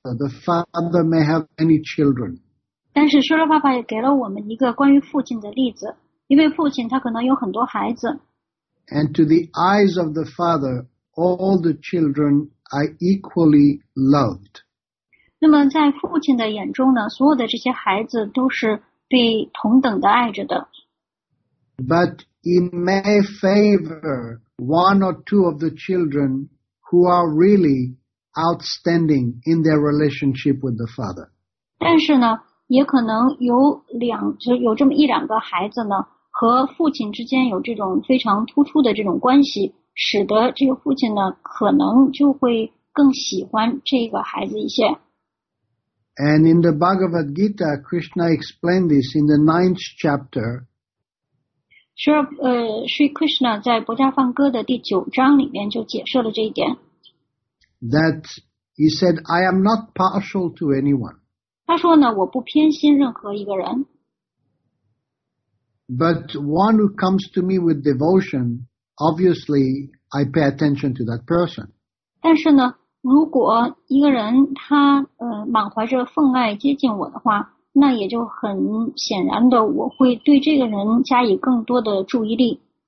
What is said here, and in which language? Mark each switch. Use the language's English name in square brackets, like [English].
[English] The father may have many children. [Chinese] 但是 Srila Prabhupada 也给了我们一个关于父亲的例子，因为父亲他可能有很多孩子。 [English] And to the eyes of the father, all the children are equally loved. [Chinese] 那么在父亲的眼中呢，所有的这些孩子都是被同等的爱着的。 [English] But he may favor one or two of the children who are really outstanding in their relationship with the father. [Chinese] 但是呢，也可能有这么一两个孩子呢，和父亲之间有这种非常突出的这种关系，使得这个父亲呢，可能就会更喜欢这个孩子一些。 [English] And in the Bhagavad Gita, Krishna explained this in the 9th chapter. [Chinese] Sri Krishna 在《薄伽梵歌》的第九章里面就解释了这一点。 [English] That he said, I am not partial to anyone. [Chinese] 他说呢，我不偏心任何一个人。 [English] But one who comes to me with devotion, obviously, I pay attention to that person. [Chinese] 但是呢，如果一个人他满怀着奉爱接近我的话，那也就很显然的，我会对这个人加以更多的注意力。